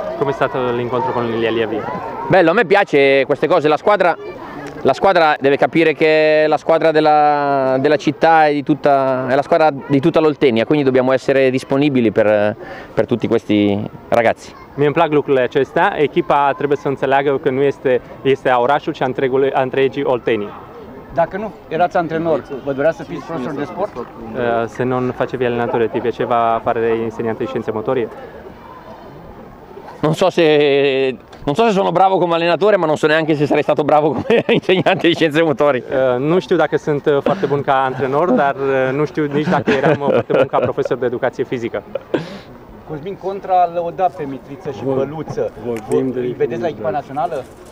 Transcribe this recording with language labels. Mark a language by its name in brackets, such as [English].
[Italian] Come è stato l'incontro con gli Alia V? Bello, a me piace queste cose, la squadra deve capire che è la squadra della città e di tutta, è la squadra di tutta l'Oltenia, quindi dobbiamo essere disponibili per tutti questi ragazzi. [Romanian] Mi un plug lucrurile acestea, echipa trebuie să înțeleagă că nu este a orașul, ci a întregii Oltenii. Dacă nu erați antrenor, vă dorea să fiți profesor de sport? [Italian] Se non facevi allenatore, ti piaceva fare insegnante di scienze motorie? Non so se sono bravo come allenatore, ma non so neanche se sarei stato bravo come insegnante di scienze motorie. [Romanian] Nu știu dacă sunt foarte bun ca antrenor, dar nu știu nici dacă eram foarte bun ca profesor de educație fizică. Cosmin Contra l-a dat pe Mitriță și Băluță. Îi vedeți la echipa națională?